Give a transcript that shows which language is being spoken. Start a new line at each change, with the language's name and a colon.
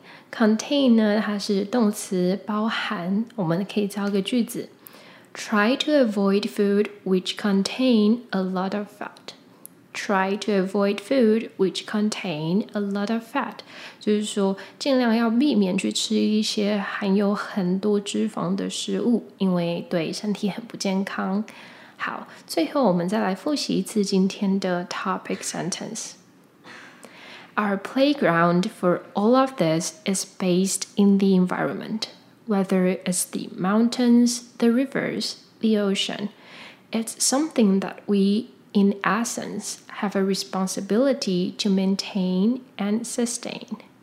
Chinese: Contain 呢，它是动词，包含。我们可以造个句子
English: Try to avoid food which contain a lot of fat. Try to avoid food which contain a lot of fat.
Chinese: 就是说尽量要避免去吃一些含有很多脂肪的食物，因为对身体很不健康。好，最后我们再来复习一次今天的
English: topic sentenceOur playground for all of this is based in the environment, whether it's the mountains, the rivers, the ocean. It's something that we, in essence, have a responsibility to maintain and sustain.